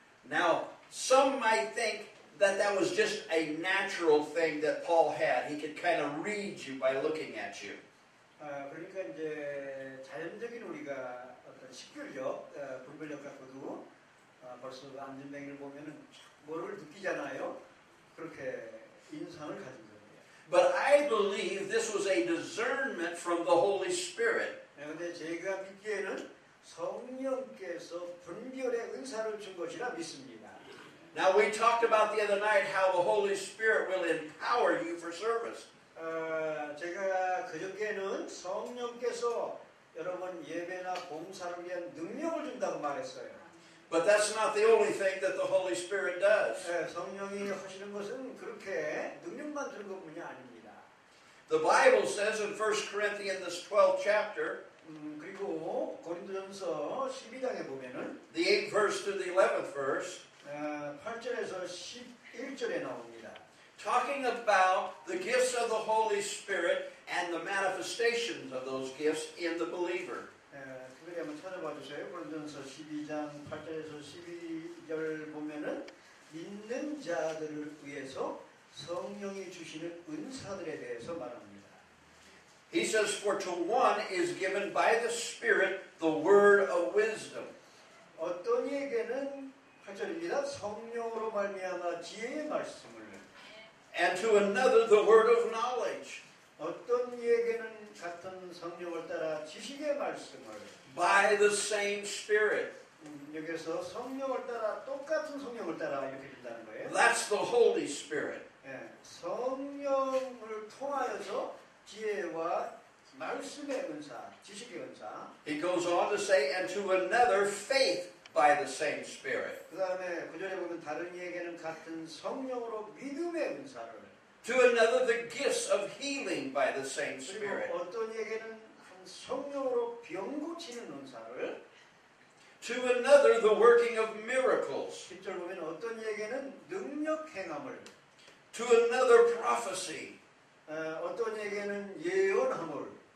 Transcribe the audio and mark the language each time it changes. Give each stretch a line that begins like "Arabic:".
English: Now, some might think that that was just a natural thing that Paul had. He could kind of read you by looking at you.
Korean: 그러니까 이제 자연적인 우리가 어떤 식별력, 분별력 갖고도 벌써 앉은뱅이를 보면은 뭐를 느끼잖아요. 그렇게 인상을 가진 거예요.
English: But I believe this was a discernment from the Holy Spirit.
Korean: 그런데 제가 믿기에는 성령께서 분별의 은사를 준 것이라 믿습니다.
English: Now we talked about the other night how the Holy Spirit will empower you for service.
Korean: 제가 그저께는 성령께서 여러분 예배나 봉사를 위한 능력을 준다고 말했어요.
English: But that's not the only thing that the Holy Spirit does.
Korean: 성령이 하시는 것은 그렇게 능력만 주는 것뿐이 아닙니다.
English: The Bible says in 1 Corinthians the 12th chapter.
Korean: 그리고 고린도전서 12장에 보면은
English: the 8th verse to the 11th verse.
Korean: 8절에서 11절에 나옵니다.
English: Talking about the gifts of the Holy Spirit and the manifestations of those gifts in the believer.
Korean: 그걸 한번 찾아봐 주세요. 고린도전서 12장 8절에서 12절 보면은 믿는 자들을 위해서 성령이 주시는 은사들에 대해서 말합니다.
English: He says, "For to one is given by the Spirit the word of wisdom."
Korean: 어떤 이에게는 8절입니다. 성령으로 말미암아 지혜의 말씀을
English: And to another the word of knowledge.
Korean: 어떤 이에게는 같은 성령을 따라 지식의 말씀을
English: By the same spirit.
Korean: 여기서 성령을 따라 똑같은 성령을 따라 이렇게 된다는 거예요.
English: That's the Holy Spirit.
Korean: 예, 성령을 통하여서 지혜와 말씀의 은사, 지식의 은사
English: He goes on to say, and to another faith. By the same Spirit.
Korean: 그 다음에 구절에 보면 다른 이에게는 같은 성령으로 믿음의 은사를.
English: To another, the gifts of healing by the same Spirit.
Korean: 그리고 어떤 이에게는 한 성령으로 병 고치는 은사를.
English: To another, the working of miracles.
Korean: 10절 보면 어떤 이에게는 능력 행함을.
English: To another, prophecy.
Korean: 어떤 이에게는 예언함을.